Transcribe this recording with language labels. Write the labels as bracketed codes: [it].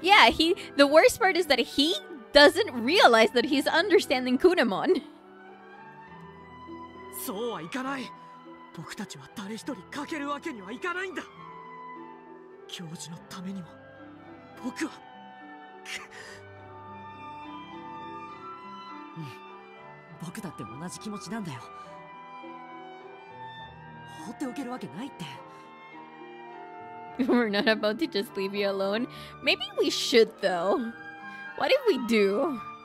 [en] Yeah, the worst part is that he doesn't realize that he's understanding Kunemon. [ja] そうはいかない。僕たちは誰一人かけるわけにはいかないんだ。教授のためにも僕は。僕だって同じ気持ちなんだよ。放っておけるわけないって。 [en] We're not about to just leave you alone. Maybe we should, though. What if we do?